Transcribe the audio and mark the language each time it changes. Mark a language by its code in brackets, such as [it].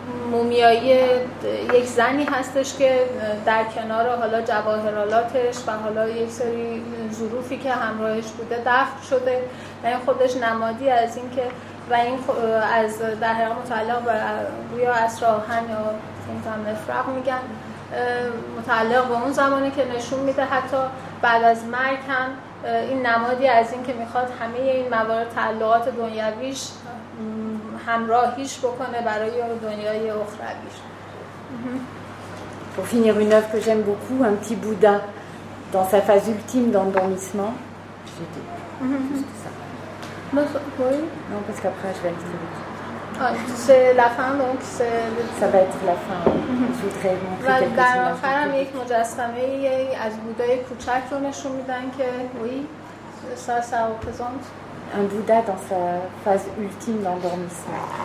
[fa] مومیایی یک زنی هستش که در کنار حالا جواهرالاتش و حالا یک سری ظروفی که همراهش بوده دفن شده و این خودش نمادی از این که و این از در حقیقت متعلق به روی عصر آهن یا فونتان نفرق میگن، متعلق به اون زمانه که نشون میده حتی بعد از مرگ هم این نمادی از این که میخواد همه این موارد تعلقات دنیاویش همراهیش بکنه برای دنیای اخرویش. [fr] Pour finir une œuvre que j'aime beaucoup, un petit Bouddha dans sa phase ultime d'endormissement. J'étais. Non, parce qu'après je vais le dire. C'est la fin donc c'est. Ça va être la fin. Je voudrais montrer quelques images. [fa] در آخرم یک مجسمه از بودای کوچک رو نشون میدن که [fr] oui, ça ça représente. Un Bouddha dans sa phase ultime d'endormissement.